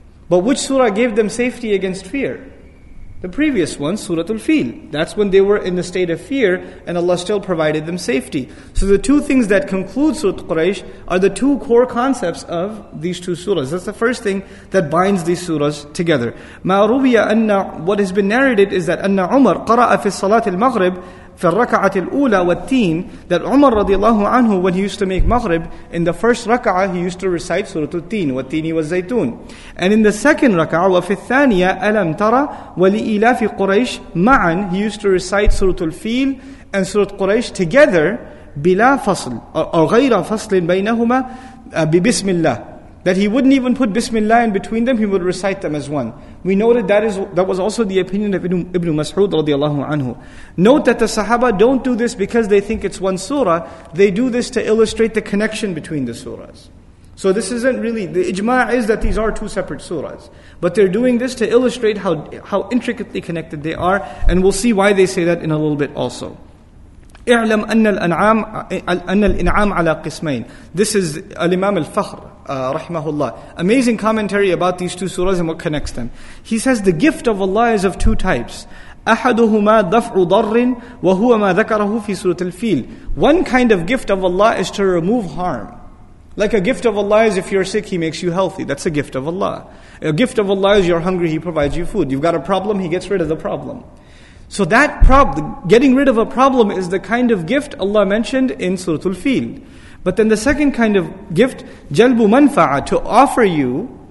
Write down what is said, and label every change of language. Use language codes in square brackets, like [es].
[en] But which surah gave them safety against fear? The previous one, Surah Al-Fil. That's when they were in the state of fear and Allah still provided them safety. So the two things that conclude Surah Quraysh are the two core concepts of these two surahs. That's the first thing that binds these surahs together. [ar] مَا رُوِيَ أَنَّ [en] What has been narrated is that [ar] أَنَّ عُمَرْ قَرَأَ فِي الصَّلَاةِ الْمَغْرِبِ فِي الرَّكَعَةِ الْأُولَى وَالتِّينِ. [en] That Umar radiallahu anhu, when he used to make Maghrib, in the first raka'ah he used to recite Surah Al-Teen, [ar] وَالتِّينِ وَالزَّيْتُونِ. [en] And in the second raka'ah, [ar] وَفِي الثَّانِيَ أَلَمْ تَرَى وَلِإِلَافِ قُرَيْشِ مَعًا, [en] he used to recite Surah Al-Fil and Surah Quraysh together, [ar] بِلَا فَصْل, [en] or [ar] غَيْرَ فَصْلٍ بَيْنَهُمَا بِبِسْمِ اللَّهِ. [en] That he wouldn't even put Bismillah in between them, he would recite them as one. We noted that was also the opinion of Ibn Mas'ud radiallahu anhu. Note that the Sahaba don't do this because they think it's one surah, they do this to illustrate the connection between the surahs. So this isn't really, the ijma' is that these are two separate surahs. But they're doing this to illustrate how intricately connected they are, and we'll see why they say that in a little bit also. [ar] اعلم أن الإنعام على قسمين. [en] This is Al-Imam Al-Fakhr, rahimahullah. Amazing commentary about these two surahs and what connects them. He says the gift of Allah is of two types. [ar] أحدهما دفع ضر وهو ما ذكره في سورة الفيل. [en] One kind of gift of Allah is to remove harm. Like a gift of Allah is if you're sick, He makes you healthy. That's a gift of Allah. A gift of Allah is you're hungry, He provides you food. You've got a problem, He gets rid of the problem. So that problem, getting rid of a problem, is the kind of gift Allah mentioned in Surah Al-Fil. But then the second kind of gift, [ar] جَلْبُ مَنْفَعَ, [en] to offer you,